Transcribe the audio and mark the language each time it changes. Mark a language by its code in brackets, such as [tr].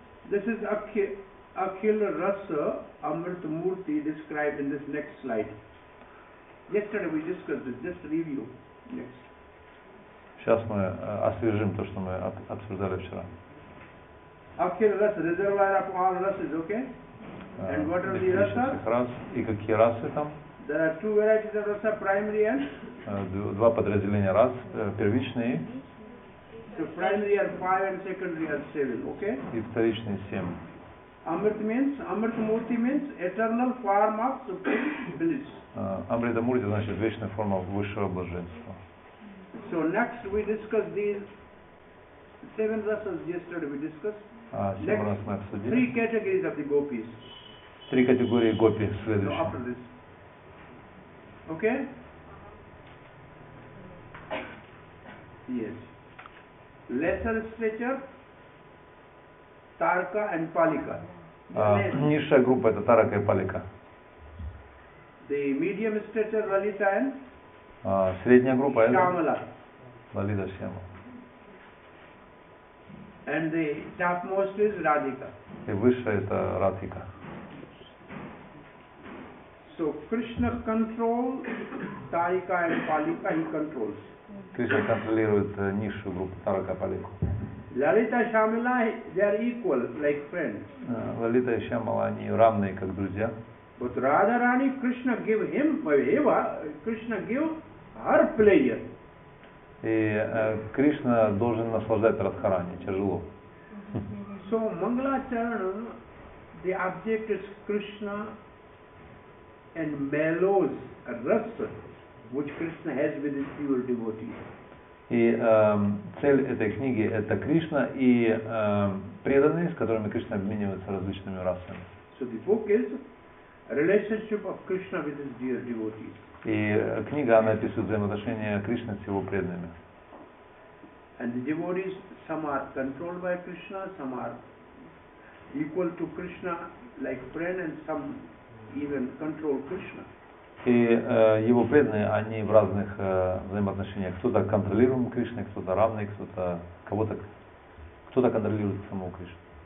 [en] This is Akhila Rasa Amrit Murti described in this next slide. Yesterday we discussed this. Just review. Next. [ru] Сейчас мы освежим то, что мы обсуждали вчера. [en] Akhila Rasa, reservoir of all rasas, okay? And what are the rasas? [ru] Рас, и какие расы там? [en] There are two varieties of rasa, primary and? [ru] Два подразделения рас, первичные. [en] So primary are five and secondary are seven, okay? [ru] И вторичные семь. [en] Amrit means, Amrit Murti means eternal form of supreme bliss. [ru] Amrita Murti значит вечная форма высшего блаженства. [en] So next we discuss these seven rasas yesterday we discussed. Three categories of the gopis. [ru] Три категории гопи следующие. [en] So after this. Okay? Yes. Lesser stature, Tarka and Palika. [ru] Низшая группа это Тарака и Палика. [en] The medium stature, Lalita and? [ru] Средняя группа это? Shyamala. [en] Lalita Shyamala. And the topmost is Radhika. [ru] И высшая это Радхика. [en] So Krishna controls Tarika and Palika, he controls. [ru] Krishna контролирует низшую группу Тарака и Палику. [en] Lalita Shyamala, they are equal, like friends. [ru] Lalita и Shyamala, они равные, как друзья. [en] But Radharani, Krishna give him, Eva, Krishna give her pleasure. [ru] И Кришна должен наслаждать Радхарани, тяжело. [en] So Mangala Charana, the object is Krishna and mellows rasa, which Krishna has with his pure devotee. [ru] И цель этой книги это Кришна и преданные, с которыми Кришна обменивается различными расами. [en] So the book is relationship of Krishna with his dear devotee. [ru] И книга она описывает взаимоотношения Кришны с его преданными. [en] And the devotees, some are controlled by Krishna, some are equal to Krishna, like friend, and some even control Krishna. [ru] И его преданные, они в разных взаимоотношениях. Кто-то контролируем Кришной, кто-то равный, кто-то контролирует самого Кришну.